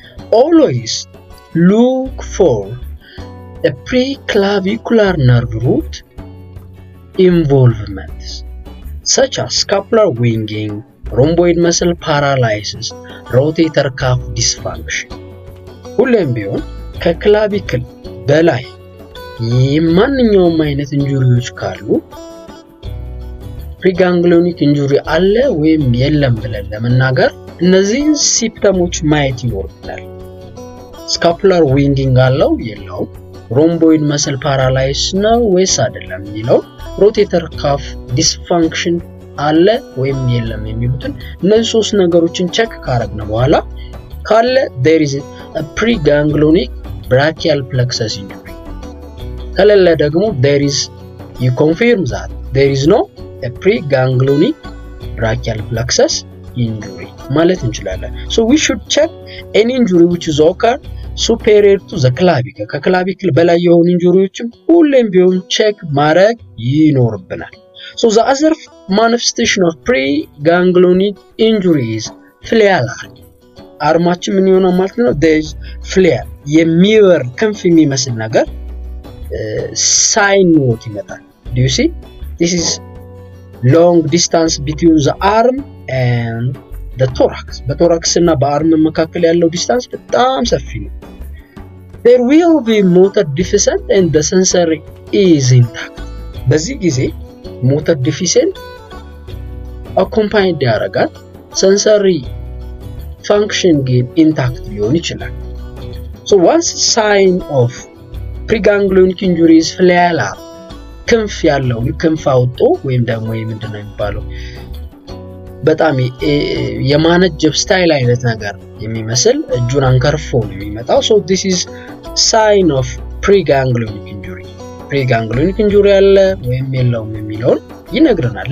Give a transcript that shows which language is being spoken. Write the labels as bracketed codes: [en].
[en] Always look for a preclavicular nerve root involvement, such as scapular winging, rhomboid muscle paralysis, rotator cuff dysfunction. [am] ሁሌም ቢሆን ከክላቪክል በላይ የማንኛውም አይነት ኢንጁሪዎች ካሉ ፕሪጋንግሊዮኒክ ኢንጁሪ አለ ወይም የለም ብለን ለመናገር እነዚህን ሲምፕተሞች ማየት ይወርዳል። ስካፑላር ዊንጊንግ አለው የለው? ሮምቦይድ መስል ፓራላይዝ ነው ወይስ አይደለም የሚለው? ሮቴተር ካፍ ዲስፋንክሽን አለ ወይም የለም የሚሉትን እነዚህ ሶስት ነገሮችን ቼክ ካረግነ በኋላ ካለ [en] there is a preganglionic brachial plexus injury. [am] ከሌለ ደግሞ [en] there is no a preganglionic brachial plexus injury [am] ማለት እንችላለን. [en] So we should check any injury which is occur superior to the clavicle. [am] ከክላቪክል በላይ የሆኑ ኢንጁሪዎችም ሁሌም ቢሆን check ማድረግ ይኖርብናል. [en] So the other manifestation of preganglionic injury is flare. [am] አርማችን ምን ይሆናል ማለት ነው? [en] There's flare. [am] የሚወር ክንፍ የሚመስል ነገር sign note ይመጣል. [en] Do you see? This is long distance between the arm and the thorax. [am] በthorax እና በአርም መካከለ ያለው distance በጣም ሰፊ ነው. [en] There will be motor deficit and the sensory is intact. [am] በዚህ ጊዜ motor deficit accompanied ያረጋል sensory function gain intact ሊሆን ይችላል. [en] So what's sign of preganglion injury is flail up. [am] ክንፍ ያለው ክንፍ አውጦ ወይም ደግሞ ምንድነው የሚባለው በጣም የማነጀብ ስታይል አይነት ነገር የሚመስል እጁን አንከርፎ ነው የሚመጣው. [en] So this is sign of preganglion injury. [am] Preganglion injury አለ ወይም የለውም የሚለውን ይነግረናል.